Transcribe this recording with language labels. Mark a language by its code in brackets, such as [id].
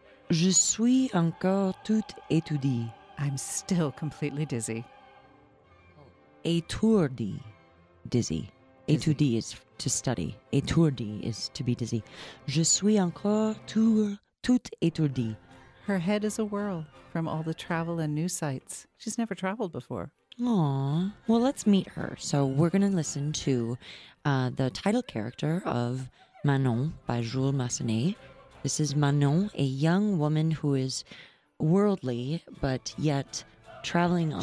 [fr] Je suis encore toute étourdie. [en] I'm still completely dizzy. Étourdie. Dizzy. Étourdie is to study. Étourdie is to be dizzy. [fr] Je suis encore toute étourdie. [en] Her head is a whirl from all the travel and new sights. She's never traveled before. Aw. Well, let's meet her. So we're going to listen to the title character of Manon by Jules Massenet. This is Manon, a young woman who is worldly, but yet traveling on...